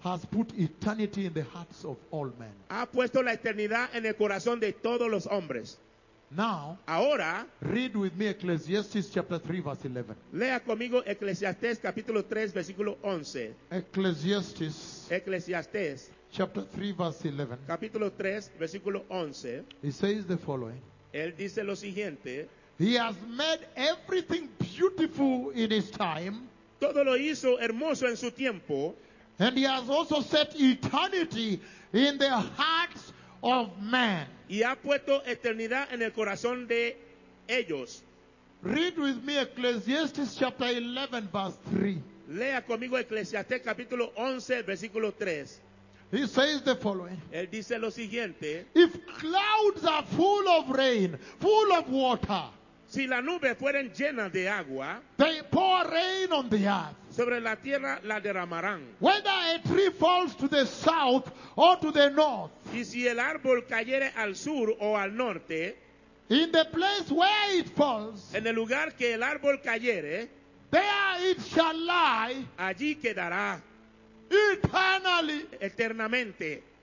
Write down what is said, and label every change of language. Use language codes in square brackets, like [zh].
[en] has put eternity in the hearts of all men. [es] Ha puesto la eternidad en el corazón de todos los hombres. [en] Now, [es] ahora, [en] read with me Ecclesiastes chapter 3 verse 11. [es] Lea conmigo Ecclesiastes capítulo 3 versículo 11. [en] Ecclesiastes. [es] Ecclesiastes [en] chapter 3 verse 11. [es] Capítulo 3 versículo 11. [en] He says the following. [es] Él dice lo siguiente. [en] He has made everything beautiful in his time. [es] Todo lo hizo hermoso en su tiempo. [en] And he has also set eternity in the hearts of men. [es] Y ha puesto eternidad en el corazón de ellos. [en] Read with me Ecclesiastes chapter 11 verse 3. [es] Lea conmigo Ecclesiastes capítulo 11 versículo 3. [en] He says the following. [es] Él dice lo siguiente. [en] If clouds are full of rain, full of water. [es] Si la nube fueren llena de agua. [en] They pour rain on the earth. [es] Sobre la tierra la derramarán. [en] Whether a tree falls to the south or to the north. [es] Y si el árbol cayere al sur o al norte. [en] In the place where it falls. [es] En el lugar que el árbol cayere. [en] There it shall lie. [es] Allí quedará. [en] Eternally. [es] Eternamente.